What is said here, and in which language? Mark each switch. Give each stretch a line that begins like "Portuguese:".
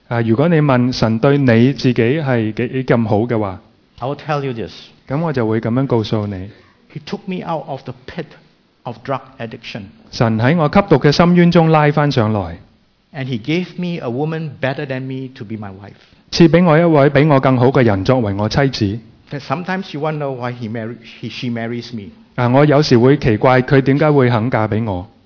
Cantonese: 如果你问神对你自己是几咁好的话，
English: I will tell you this.
Cantonese: 咁我就会咁样告诉你。
English: He took me out of the pit of drug addiction.
Cantonese: 神喺我吸毒嘅深渊中拉翻上来。
English: And he gave me a woman better than me to be my wife.
Cantonese: 赐俾我一位比我更好嘅人作为我妻子。
English: That sometimes you wonder why she marries me.
Cantonese: 我有时会奇怪佢点解会肯嫁俾我。